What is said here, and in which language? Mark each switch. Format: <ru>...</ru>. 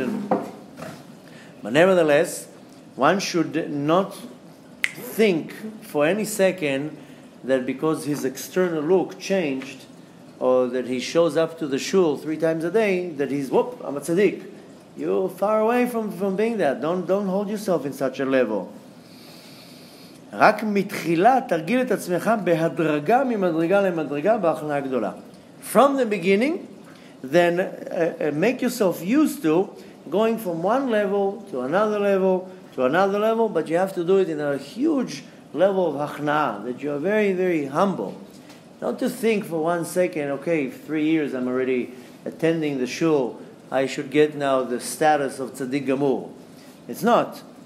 <en>And but nevertheless, one should not think for any second that because his external look changed, or that he shows up to the shul 3 times a day, that he's, whoop, I'm a tzaddik. You're far away from being that. Don't hold yourself in such a level.</en> <he>רק מתחילה תרגיל את עצמך בהדרגה ממדרגה למדרגה בהכנעה גדולה.</he> <en>From the beginning, then make yourself used to going from one level to another level to another level, but you have to do it in a huge level of hachna'ah, that you are very, very humble. Not to think for 1 second, okay, 3 years I'm already attending the shul, I should get now the status of tzaddik gamur. It's not.</en>